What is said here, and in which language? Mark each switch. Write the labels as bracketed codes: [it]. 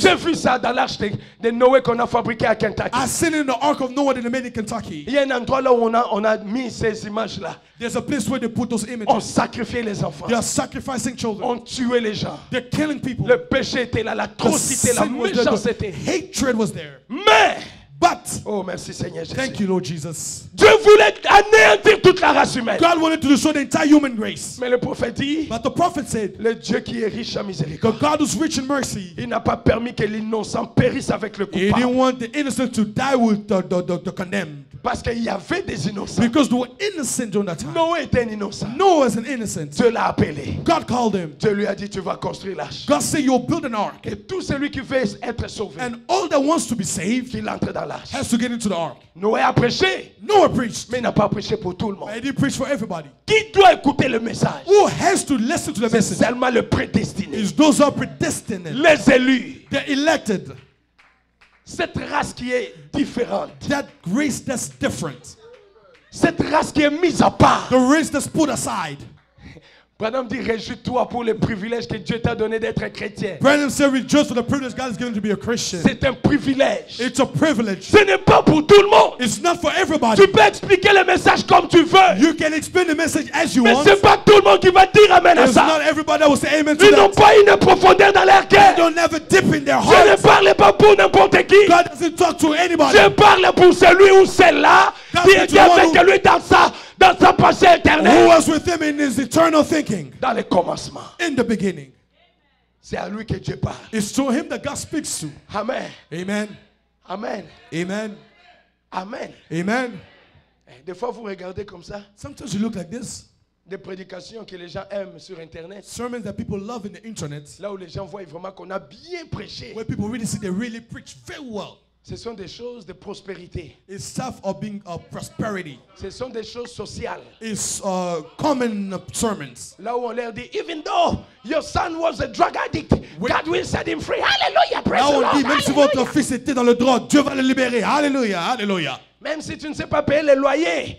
[fr] J'ai vu ça dans l'arche de Noé qu'on a fabriqué à Kentucky. [en] I seen it in the ark of Noah that they made in Kentucky. [fr] Il y a un endroit là où on a mis ces images là. [en] There's a place where they put those images. [fr] On sacrifiait les enfants. [en] They are sacrificing children. [fr] On tuait les gens. [en] They're killing people. [fr] Le péché était là, l'atrocité, la méchanceté. [en] Hatred was there. [fr] Mais [en] but [fr] oh, merci, Seigneur Jésus. [en] Thank you, Lord Jesus. [fr] Dieu voulait anéantir toute la race humaine. [en] God wanted to destroy the entire human race. [fr] Mais le prophète dit, [en] but the prophet said, [fr] le Dieu qui est riche en miséricorde, [en] the God who's rich in mercy, [fr] il n'a pas permis que l'innocent périsse avec le coupable. [en] He didn't want the innocent to die with the condemned. [fr] Parce qu'il y avait des innocents. [en] Because there were innocent during that time. [fr] Noé était un innocent. [en] Noah was an innocent. [fr] Dieu l'a appelé. [en] God called him. [fr] Dieu lui a dit, tu vas construire l'arche. [en] God said, you'll build an ark. [fr] Et tout celui qui veut être sauvé. [en] And all that wants to be saved, [fr] qu'il entre dans l'arche. [en] Has to get into the ark. [fr] Noé a prêché. [en] Noah preached. [fr] Mais il n'a pas prêché pour tout le monde. [en] But he didn't preach for everybody. [fr] Qui doit écouter le message? [en] Who has to listen to the [fr] c'est [en] message? [fr] C'est seulement le prédestiné. [en] It's those who are predestined. [fr] Les élus. [en] The elected. [fr] Cette race qui est différente. [en] That race that's different. [fr] Cette race qui est mise à part. [en] The race that's put aside. [fr] Branham dit, réjouis-toi pour le privilège que Dieu t'a donné d'être chrétien. [en] Branham said, rejoice for the privilege God has given to be a Christian. [fr] C'est un privilège. [en] It's a privilege. [fr] Ce n'est pas pour tout le monde. [en] It's not for everybody. [fr] Tu peux expliquer le message comme tu veux. [en] You can explain the message as you [fr] mais [en] want. [fr] Mais c'est pas tout le monde qui va dire amen [en] it's [fr] à ça. [en] It's not everybody that will say amen to [fr] ils [en] that. [fr] N'ont pas une profondeur dans leur cœur. [en] They don't have a dip in their heart. [fr] Je ne parle pas pour n'importe qui. [en] God doesn't talk to anybody. [fr] Je parle pour celui ou celle-là qui est avec lui dans ça. Dans sa pensée éternelle. [en] Who was with him in his eternal thinking? [fr] Dans le commencement. [en] In the beginning. [fr] C'est à lui que Dieu parle. [en] It's to him that God speaks to. Amen. Amen. Amen. Amen. Amen. Amen. [fr] Des fois vous regardez comme ça. [en] Sometimes you look like this. [fr] Des prédications que les gens aiment sur internet. [en] Sermons that people love in the internet. [fr] Là où les gens voient vraiment qu'on a bien prêché. [en] Where people really see they really preach very well. [fr] Ce sont des choses de prospérité. [en] It's stuff of being of prosperity. [fr] Ce sont des choses sociales. [en] It's common sermons. [fr] Là où on leur dit, [en] even though your son was a drug addict, when God will set him free. Hallelujah, praise the Lord. [fr] Là on dit, même si votre fils était dans le drogue, Dieu va le libérer. [en] Hallelujah, hallelujah. [fr] Même si tu ne sais pas payer le loyer,